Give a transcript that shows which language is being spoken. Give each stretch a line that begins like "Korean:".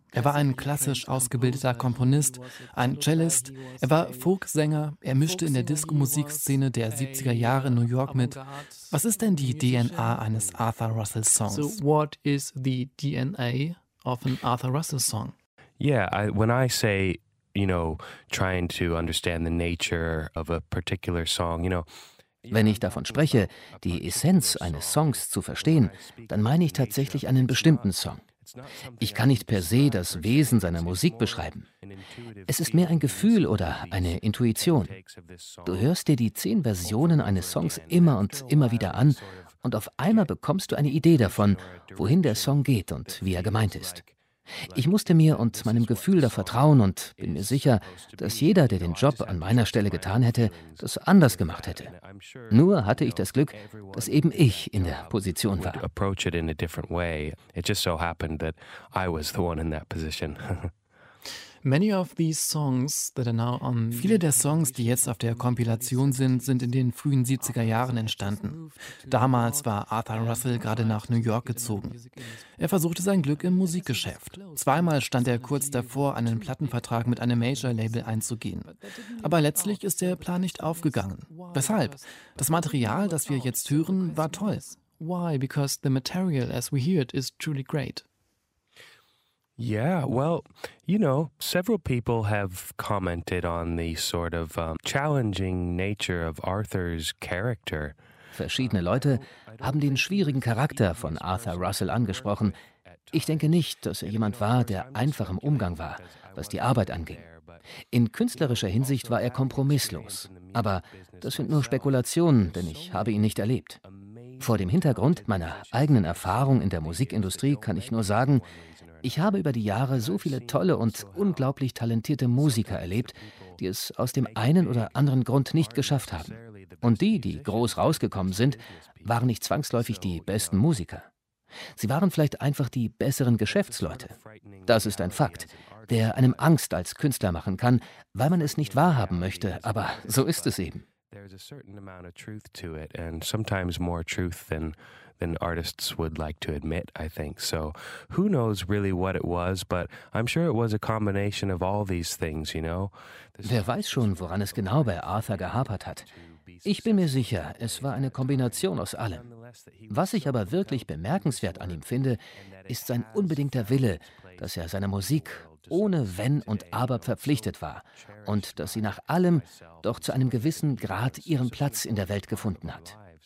German: Er war ein klassisch ausgebildeter Komponist, ein Cellist, er war Folksänger, er mischte in der Disco-Musikszene der 70er Jahre in New York mit. Was ist denn die DNA eines Arthur Russell Songs?
English: So what is the DNA of an Arthur Russell song? Yeah, when I say, you know, trying to understand the nature of a particular song, you know.
German: Wenn ich davon spreche, die Essenz eines Songs zu verstehen, dann meine ich tatsächlich einen bestimmten Song. Ich kann nicht per se das Wesen seiner Musik beschreiben. Es ist mehr ein Gefühl oder eine Intuition. Du hörst dir die 10 Versionen eines Songs immer und immer wieder an und auf einmal bekommst du eine Idee davon, wohin der Song geht und wie er gemeint ist. Ich musste mir und meinem Gefühl da vertrauen und bin mir sicher, dass jeder, der den Job an meiner Stelle getan hätte, das anders gemacht hätte. Nur hatte ich das Glück, dass eben ich in der Position war.
English: Approach it in a different way. It just so happened that I was the one in that position. Many of these songs that are now on.
German: Viele der Songs, die jetzt auf der Kompilation sind, sind in den frühen 70er Jahren entstanden. Damals war Arthur Russell gerade nach New York gezogen. Er versuchte sein Glück im Musikgeschäft. Zweimal stand er kurz davor, einen Plattenvertrag mit einem Major-Label einzugehen. Aber letztlich ist der Plan nicht aufgegangen. Weshalb? Das Material, das wir jetzt hören, war toll.
English: Why? Because the material, as we hear it, is truly great. Yeah, well, you know, several people have commented on the sort of challenging nature of Arthur's character.
German: Verschiedene Leute haben den schwierigen Charakter von Arthur Russell angesprochen. Ich denke nicht, dass er jemand war, der einfach im Umgang war, was die Arbeit anging. In künstlerischer Hinsicht war er kompromisslos. Aber das sind nur Spekulationen, denn ich habe ihn nicht erlebt. Vor dem Hintergrund meiner eigenen Erfahrung in der Musikindustrie kann ich nur sagen, ich habe über die Jahre so viele tolle und unglaublich talentierte Musiker erlebt, die es aus dem einen oder anderen Grund nicht geschafft haben. Und die, die groß rausgekommen sind, waren nicht zwangsläufig die besten Musiker. Sie waren vielleicht einfach die besseren Geschäftsleute. Das ist ein Fakt, der einem Angst als Künstler machen kann, weil man es nicht wahrhaben möchte, aber so ist es eben.
English: There's a certain amount of truth to it, and sometimes more truth than artists would like to admit, I think. So who knows really what it was, but I'm sure it was a combination of all these things, you know?
German: Wer weiß schon, woran es genau bei Arthur gehapert hat. Ich bin mir sicher, es war eine Kombination aus allem. Was ich aber wirklich bemerkenswert an ihm finde, ist sein unbedingter Wille, dass er seiner Musik ohne Wenn und Aber verpflichtet war und dass sie nach allem doch zu einem gewissen Grad ihren Platz in der Welt gefunden hat.